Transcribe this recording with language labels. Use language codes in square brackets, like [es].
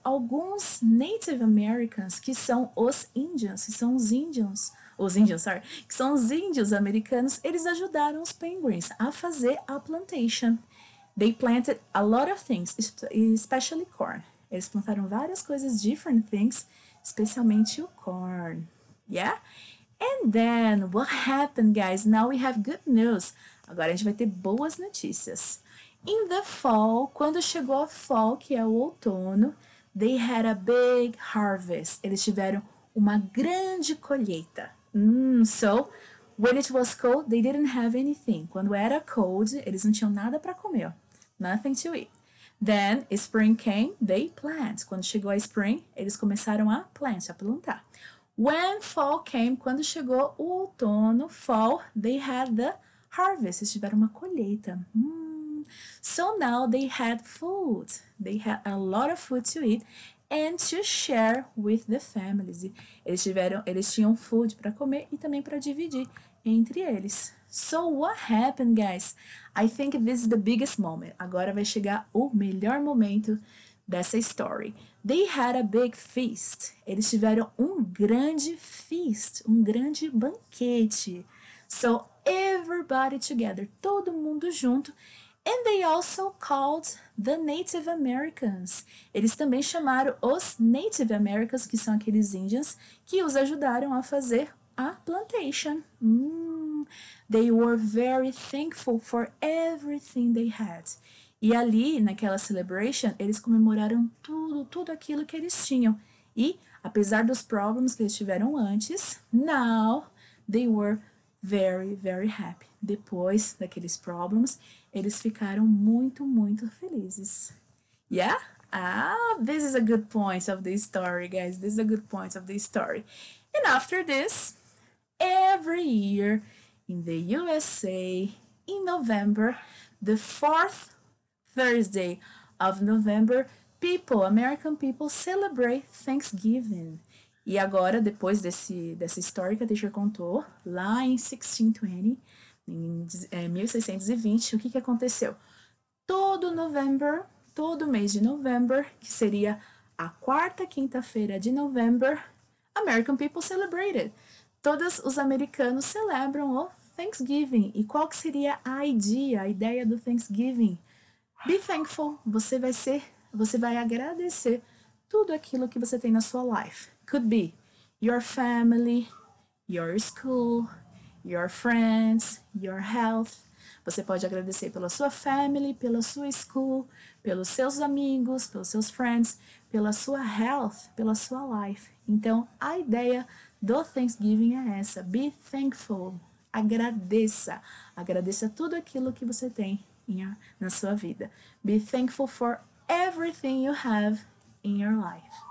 [pt] Alguns Native Americans, que são os Indians, que são os índios americanos, eles ajudaram os penguins a fazer a plantation. [en] They planted a lot of things, especially corn. [pt] Eles plantaram várias coisas, [en] different things, [pt] especialmente o corn. [en] Yeah? And then, what happened, guys? Now we have good news. [pt] Agora a gente vai ter boas notícias. [en] In the fall, [pt] quando chegou a fall, que é o outono, [en] they had a big harvest. [pt] Eles tiveram uma grande colheita. [en] So, when it was cold, they didn't have anything. [pt] Quando era cold, eles não tinham nada para comer. [en] Nothing to eat. Then, spring came, they plant. [pt] Quando chegou a spring, eles começaram a plantar. [en] When fall came, [pt] quando chegou o outono, [en] fall, they had the harvest. [pt] Eles tiveram uma colheita. [en] So now they had food. They had a lot of food to eat and to share with the families. [pt] Eles tinham food para comer e também para dividir entre eles. [en] So what happened, guys? I think this is the biggest moment. [pt] Agora vai chegar o melhor momento dessa story. [en] They had a big feast. [pt] Eles tiveram um grande feast, um grande banquete. [en] So everybody together, [pt] todo mundo junto. [en] And they also called the Native Americans. [pt] Eles também chamaram os Native Americans, que são aqueles índios, que os ajudaram a fazer a plantation. [en] They were very thankful for everything they had. [pt] E ali, naquela celebration, eles comemoraram tudo, tudo aquilo que eles tinham. E, apesar dos problems que eles tiveram antes, [en] now they were very, very happy. [pt] Depois daqueles problems, eles ficaram muito, muito felizes. [en] Yeah? Ah, this is a good point of the story, guys. This is a good point of the story. And after this, every year in the USA, in November, the fourth Thursday of November, people, American people, celebrate Thanksgiving. [pt] E agora, depois dessa história que a teacher contou, lá em 1620, em 1620, o que aconteceu? Todo November, todo mês de November, que seria a quarta quinta-feira de November, [en] American people celebrated. [pt] Todos os americanos celebram o Thanksgiving. E qual que seria a ideia do Thanksgiving? [en] Be thankful, [pt] você vai agradecer tudo aquilo que você tem na sua life. [en] Could be your family, your school, your friends, your health. [pt] Você pode agradecer pela sua family, pela sua school, pelos seus amigos, pelos seus friends, pela sua health, pela sua life. Então, a ideia do Thanksgiving é essa. [en] Be thankful. [pt] Agradeça. Agradeça tudo aquilo que você tem na sua vida. [en] Be thankful for everything you have in your life.